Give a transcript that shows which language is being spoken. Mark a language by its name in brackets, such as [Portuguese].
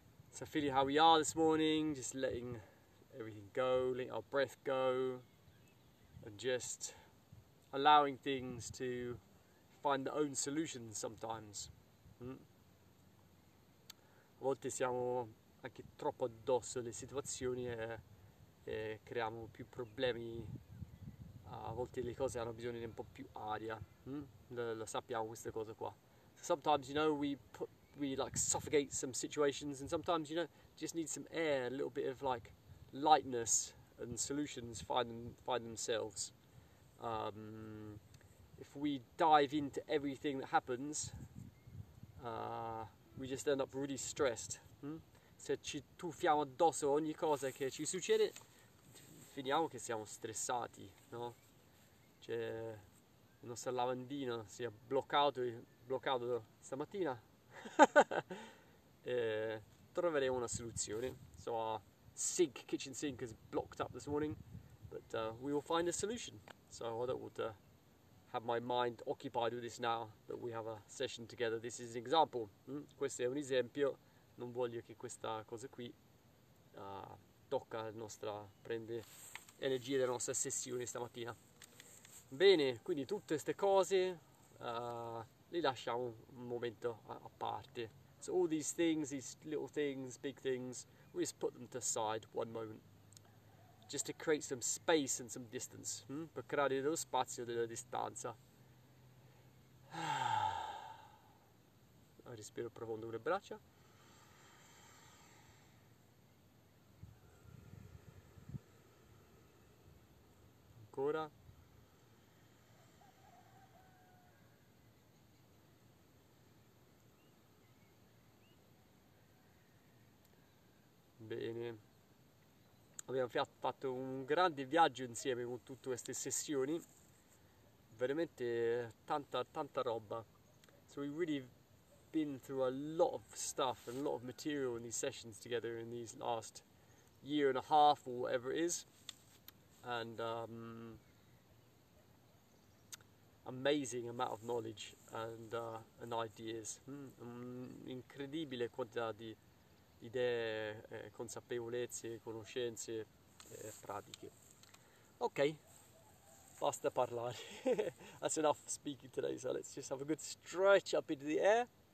[English] So feeling how we are this morning, just letting everything go, letting our breath go, and just allowing things to find their own solutions sometimes. [Italian] A volte siamo anche troppo addosso alle situazioni e creiamo più problemi. A volte le cose hanno bisogno di un po' più aria. Lo sappiamo questa cosa qua. [English] Sometimes, you know, we suffocate some situations, and sometimes, you know, just need some air, a little bit of like lightness, and solutions find themselves. If we dive into everything that happens, we just end up really stressed. [Italian] Se ci tuffiamo addosso ogni cosa che ci succede, finiamo che siamo stressati, no? Cioè, il nostro lavandino si è bloccato stamattina. troveremo una soluzione. [English] So our sink, kitchen sink, is blocked up this morning, but we will find a solution. So I don't want to have my mind occupied with this now that we have a session together. This is an example. [Italian] Questo è un esempio. Non voglio che questa cosa qui tocca la nostra, prende energia della nostra sessione stamattina. Bene, quindi tutte queste cose li lasciamo un momento a parte. [English] So all these things, these little things, big things, we just put them to side one moment. Just to create some space and some distance. [Italian] Per creare dello spazio e della distanza. Respiro profondo con le braccia. Ancora. Bene, abbiamo fatto un grande viaggio insieme con tutte queste sessioni, veramente tanta roba. [English] So we've really been through a lot of stuff and a lot of material in these sessions together in these last year and a half or whatever it is, and amazing amount of knowledge and ideas. [Italian] Incredibile quantità di idee, consapevolezze, conoscenze e pratiche. Ok, basta parlare. [English] That's enough speaking today, so let's just have a good stretch up into the air.